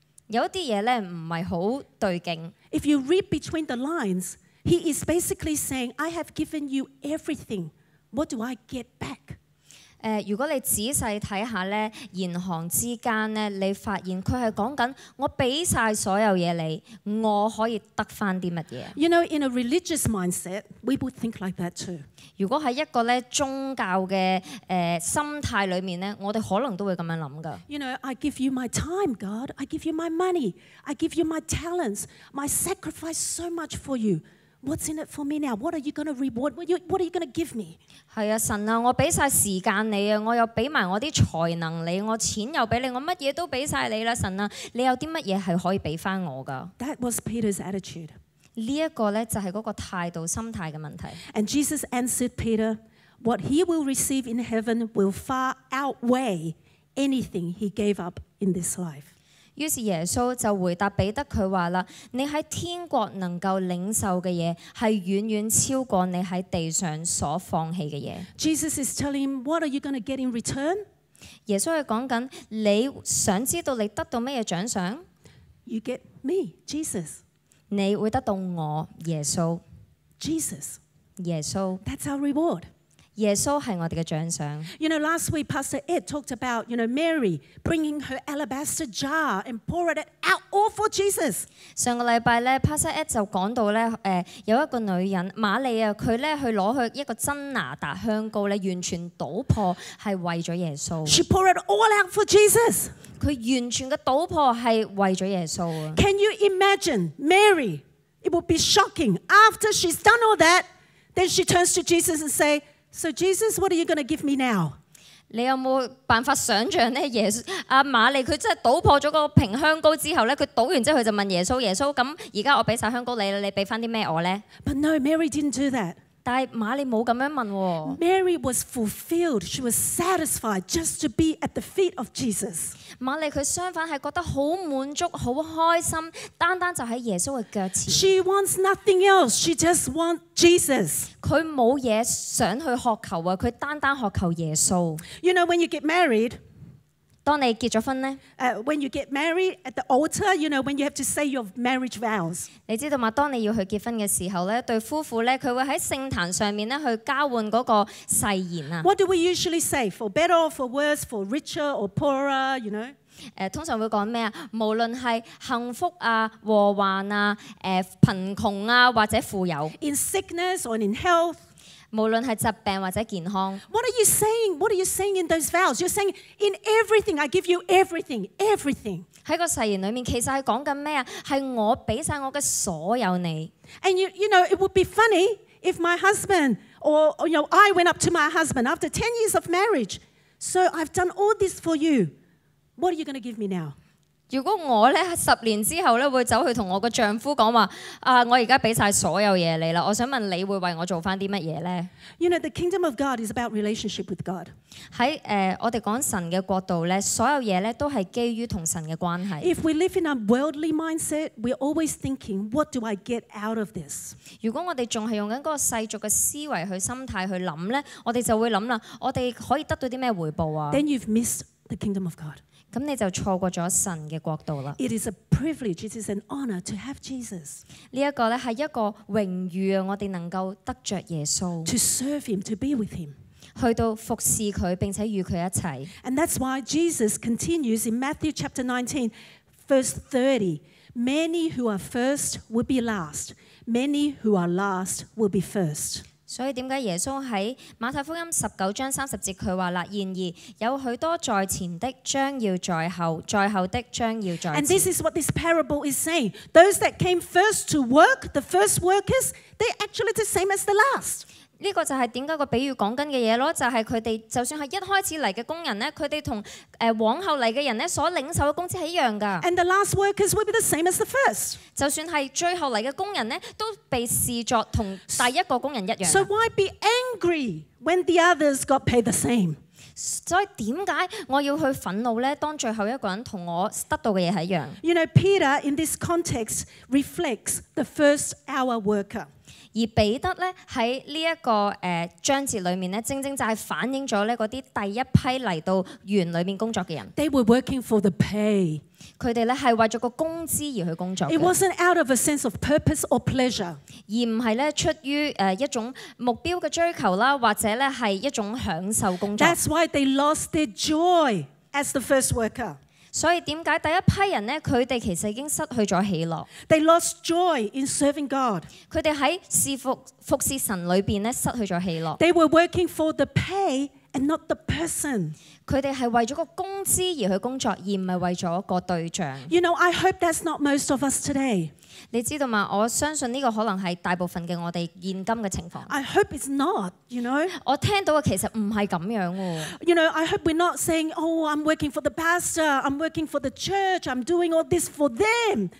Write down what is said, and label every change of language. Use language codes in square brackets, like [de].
[yue] 有一啲嘢咧唔係好對勁。 [en] If you read between the lines, he is basically saying, "I have given you everything. What do I get back?" [yue] 如果你仔細睇下咧，言行之間咧，你發現佢係講緊我俾曬所有嘢你，我可以得翻啲乜嘢 [en] ？You know, in a religious mindset, we would think like that too. [yue] 如果喺一個咧宗教嘅心態裡面咧，我哋可能都會咁樣諗噶。 [en] You know, I give you my time, God. I give you my money. I give you my talents. I sacrifice so much for you. What's in it for me now? What are you going to reward? What are you going to give me? [yue] 係啊，神啊，我俾曬時間你啊，我又俾埋我啲才能你，我錢又俾你，我乜嘢都俾曬你啦，神啊，你有啲乜嘢係可以俾翻我噶 [en] ？That was Peter's attitude. [yue] 呢一個咧就係嗰個態度、心態嘅問題。 [en] And Jesus answered Peter, "What he will receive in heaven will far outweigh anything he gave up in this life." [yue] 於是耶穌就回答彼得，佢話啦：你喺天國能夠領受嘅嘢，係遠遠超過你喺地上所放棄嘅嘢。 [en] Jesus is telling him, "What are you going to get in return?" [yue] 耶穌係講緊，你想知道你得到咩嘢獎賞 [en] ？You get me, Jesus. [yue] 你會得到我，耶穌。 [en] Jesus. [yue] 耶穌。 [en] That's our reward. [yue] 耶穌係我哋嘅獎賞。 [en] You know, last week Pastor Ed talked about, you know, Mary bringing her alabaster jar and pouring it out all for Jesus. [yue] 上個禮拜咧 ，Pastor Ed 就講到咧，有一個女人瑪利亞，佢咧去攞去一個真拿達香膏咧，完全倒破，係為咗耶穌。 [en] She poured it all out for Jesus. [yue] 佢完全嘅倒破係為咗耶穌啊。 [en] Can you imagine Mary? It would be shocking after she's done all that, then she turns to Jesus and say. So Jesus, what are you going to give me now? [yue] 你有冇辦法想象咧？耶穌阿瑪利佢真係倒破咗個瓶香膏之後咧，佢倒完之後佢就問耶穌：耶穌咁而家我俾曬香膏你啦，你俾翻啲咩我咧 [en] ？But no, Mary didn't do that. [yue] 但瑪利冇咁樣問喎。 [en] Mary was fulfilled. She was satisfied just to be at the feet of Jesus. [yue] 瑪利佢相反係覺得好滿足、好開心，單單就喺耶穌嘅腳前。 [en] She wants nothing else. She just wants Jesus. [yue] 佢冇嘢想去渴求啊！佢單單渴求耶穌。 [en] You know when you get married. [yue] 當你結咗婚呢? [en] When you get married at the altar, you know, when you have to say your marriage vows. [yue] 你知道嗎? 當你要去結婚的時候呢,對夫婦呢,佢會在聖壇上面呢,去交換那個誓言。 [en] What do we usually say? For better or for worse, for richer or poorer, you know? [yue] 通常會講咩? 無論是幸福啊,禍患啊,貧窮啊,或者富有。 [en] In sickness or in health, [yue] 無論是疾病或者健康。 [en] What are you saying? What are you saying in those vows? You're saying in everything, I give you everything, everything. [yue] 在個誓言裡面，其實是講緊咩啊？係我俾曬我嘅所有你。 [en] And you know, it would be funny if my husband or you know, I went up to my husband after 10 years of marriage. So I've done all this for you. What are you going to give me now? [yue] 如果我咧十年之後咧會走去同我個丈夫講話，啊，我而家俾曬所有嘢你啦，我想問你會為我做翻啲乜嘢咧 [en] ？You know the kingdom of God is about relationship with God. [yue] 喺我哋講神嘅國度咧，所有嘢咧都係基於同神嘅關係。 [en] If we live in a worldly mindset, we're always thinking, what do I get out of this? [yue] 如果我哋仲係用緊嗰個世俗嘅思維去心態去諗咧，我哋就會諗啦，我哋可以得到啲咩回報啊 [en] ？Then you've missed the kingdom of God. [yue] 咁你就錯過咗神嘅國度啦。 [en] It is a privilege, it is an honor to have Jesus. [yue] 呢一個咧係一個榮譽啊！我哋能夠得著耶穌。 [en] To serve him, to be with him. [yue] 去到服侍佢，並且與佢一齊。 [en] And that's why Jesus continues in Matthew chapter 19, verse 30. Many who are first will be last. Many who are last will be first. [yue] 所以點解耶穌喺馬太福音十九章三十節佢話啦？然而有許多在前的將要在後，在後的將要在前。 [en] And this is what this parable is saying. Those that came first to work, the first workers, they actually the same as the last. [yue] 呢個就係點解個比喻講緊嘅嘢咯？就係佢哋就算係一開始嚟嘅工人咧，佢哋同往後嚟嘅人咧所領受嘅工資係一樣噶。 [en] And the last workers will be the same as the first. [yue] 就算係最後嚟嘅工人咧，都被視作同第一個工人一樣。 [en] So why be angry when the others got paid the same? [yue] 所以點解我要去憤怒咧？當最後一個人同我得到嘅嘢係一樣。 [en] You know, Peter in this context reflects the first hour worker. [yue] 而彼得咧喺呢一個章節裏面咧，正正就係反映咗咧嗰啲第一批嚟到園裏面工作嘅人。 [en] They were working for the pay。 [yue] 佢哋咧係為咗個工資而去工作。 [en] It wasn't out of a sense of purpose or pleasure。 [yue] 而唔係咧出於一種目標嘅追求啦，或者咧係一種享受工作。 [en] That's why they lost their joy as the first worker。 [yue] 所以點解第一批人咧，佢哋其實已經失去咗喜樂。 [en] They lost joy in serving God。 [yue] 佢哋喺服侍神裏邊咧，失去咗喜樂。 [en] They were working for the pay and not the person。 [yue] 佢哋係為咗個工資而去工作，而唔係為咗個對象。 [en] You know, I hope that's not most of us today。 [yue] 你知道嗎？我相信呢個可能係大部分嘅我哋現今嘅情況。 [en] I hope it's not, you know。 [yue] 我聽到嘅其實唔係咁樣喎。 [en] You know, I hope we're not saying, oh, I'm working for the pastor, I'm working for the church, I'm doing all this for them.